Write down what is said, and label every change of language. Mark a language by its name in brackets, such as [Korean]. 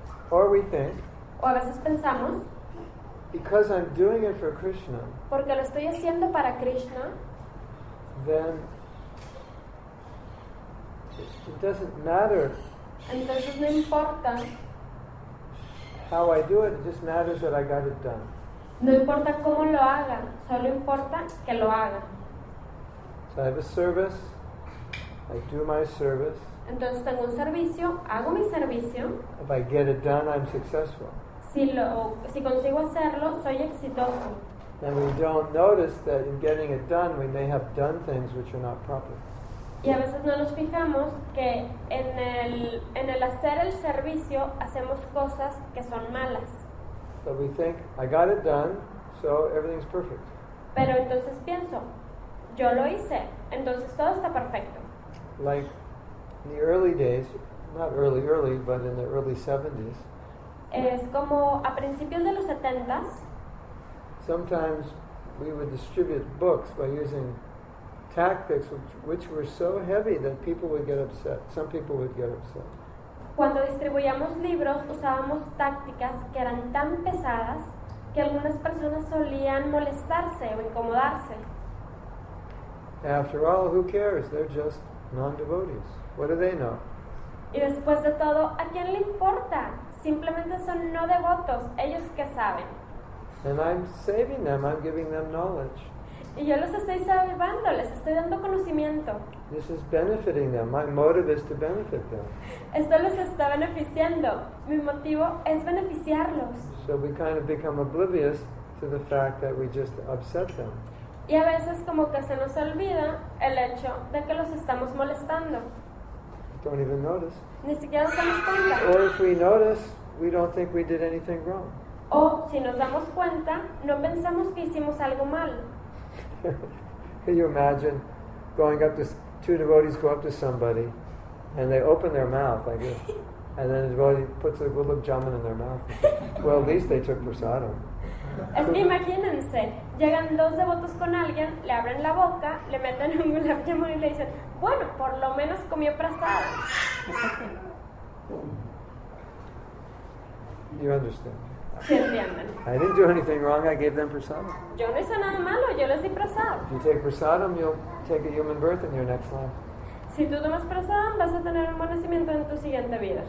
[English] Or we think, [Spanish] o a veces pensamos, [English] because I'm doing it for Krishna, [Spanish] porque lo estoy haciendo para Krishna, [English] then it doesn't matter. [Spanish] Entonces no importa [English] how I do it, it just matters that I got it done. [Spanish] No importa cómo lo haga, solo importa que lo haga. [English] So I have a service, I do my service. [Spanish] Entonces tengo un servicio, hago mi servicio. [English] If I get it done, I'm successful. [Spanish] Si consigo hacerlo, soy exitoso. [English] And we don't notice that in getting it done, we may have done things which are not proper. [Spanish] Y a veces no nos fijamos que en el hacer el servicio hacemos cosas que son malas. [English] But we think, I got it done, so everything's perfect. [Spanish] Pero entonces pienso, yo lo hice, entonces todo está perfecto. [English] Like in the early days, not early, but in the early 70s. [Spanish] Es como a principios de los 70s. [English] Sometimes we would distribute books by using tactics which were so heavy that people would get upset. Some people would get upset. [Spanish] Cuando distribuíamos libros, usábamos tácticas que eran tan pesadas que algunas personas solían molestarse o incomodarse. [English] After all, who cares? They're just non-devotees. What do they know? [Spanish] Y después de todo, ¿a quién le importa? Simplemente son no devotos. ¿Ellos qué saben? [English] And I'm saving them. I'm giving them knowledge. [Spanish] Y yo los estoy salvando, les estoy dando conocimiento. [English] This is benefiting them. My motive is to benefit them. [Spanish] Esto les está beneficiando. Mi motivo es beneficiarlos. [English] So we kind of become oblivious to the fact that we just upset them. [Spanish] Y a veces como que se nos olvida el hecho de que los estamos molestando. [English] Don't even notice. [Spanish] Ni siquiera nos damos cuenta. [English] Or if we notice, we don't think we did anything wrong. [Spanish] O si nos damos cuenta, no pensamos que hicimos algo mal. [English] Can you imagine going up to two devotees go up to somebody and they open their mouth like this and then the devotee puts a gulab jamun in their mouth? Well, at least they took prasadam. [Spanish] Es que imagínense, llegan dos devotos con alguien, le abren la boca, le meten un gulab jamun y le dicen, bueno, por lo menos comió prasadam. [English] You understand? [Spanish] Sí, [English] I didn't do anything wrong, I gave them prasadam. [Spanish] Yo no hice nada malo, yo les di prasadam. [English] If you take prasadam, you'll take a human birth in your next life. [Spanish] Si tú tomas prasadam, vas a tener un buen nacimiento en tu siguiente vida.